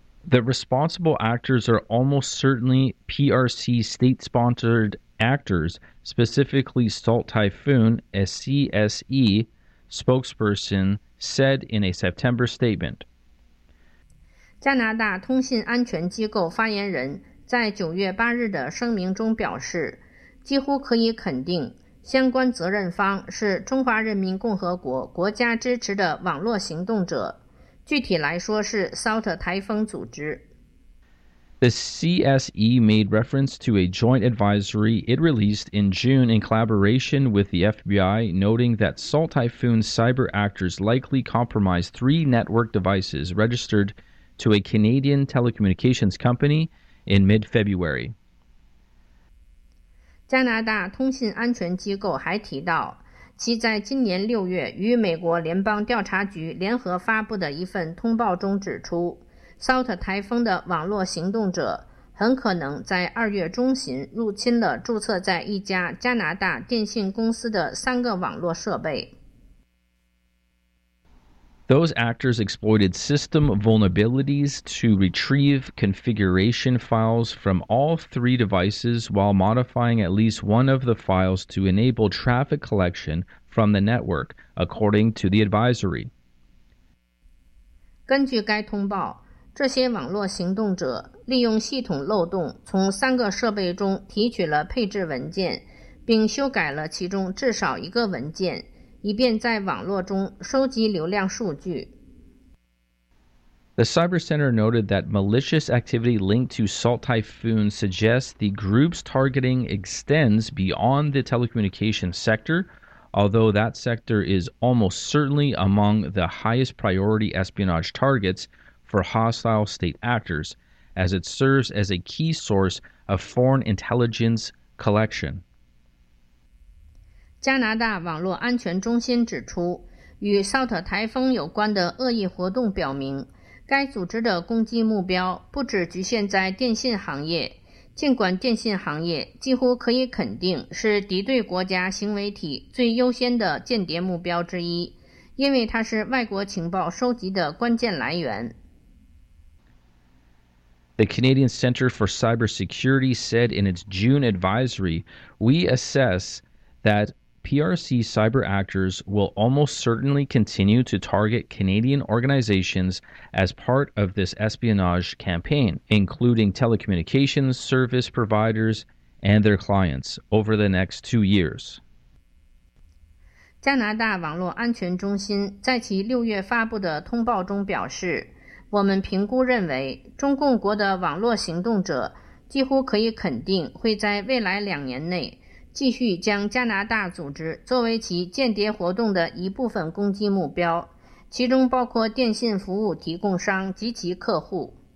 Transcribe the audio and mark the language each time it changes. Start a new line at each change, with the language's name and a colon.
English: The responsible actors are almost certainly PRC state-sponsored actors, specifically Salt Typhoon, SCSE, spokesperson said in a September statement.
Chinese: 加拿大通信安全机构发言人在9月8日的声明中表示，几乎可以肯定相关责任方是中华人民共和国国家支持的网络行动者，具体来说是 Salt 台风组织。
English: The CSE made reference to a joint advisory it released in June in collaboration with the FBI, noting that Salt Typhoon's cyber actors likely compromised three network devices registered to a Canadian telecommunications company in mid-February.
Chinese: 加拿大通信安全机构还提到，其在今年6月与美国联邦调查局联合发布的一份通报中指出，Salt 台风的网络行动者很可能在2月中旬入侵了注册在一家加拿大电信公司的三个网络设备。
English: Those actors exploited system vulnerabilities to retrieve configuration files from all three devices while modifying at least one of the files to enable traffic collection from the network, according to the advisory.
Chinese: 根据该通报，这些网络行动者利用系统漏洞从三个设备中提取了配置文件，并修改了其中至少一个文件，以便在网络中收集流量数据。
English: The Cyber Center noted that malicious activity linked to Salt Typhoon suggests the group's targeting extends beyond the telecommunications sector, although that sector is almost certainly among the highest priority espionage targets for hostile state actors, as it serves as a key source of foreign intelligence collection.
Chinese: 加拿大网络安全中心指出，与 Salt 台风有关的恶意活动表明，该组织的攻击目标不只局限在电信行业，尽管电信行业几乎可以肯定是敌对国家行为体最优先的间谍目标之一，因为它是外国情报收集的关键来源。
English: The Canadian Center for Cybersecurity said in its June advisory, "We assess that PRC cyber actors will almost certainly continue to target Canadian organizations as part of this espionage campaign, including telecommunications service providers and their clients, over the next 2 years."
Chinese: 加拿大网络安全中心在其六月发布的通报中表示，我们评估认为，中共国的网络行动者几乎可以肯定会在未来两年内继续将加拿大组织作为其间谍活动的一部分攻击目标，其中包括电信服务提供商及其客户。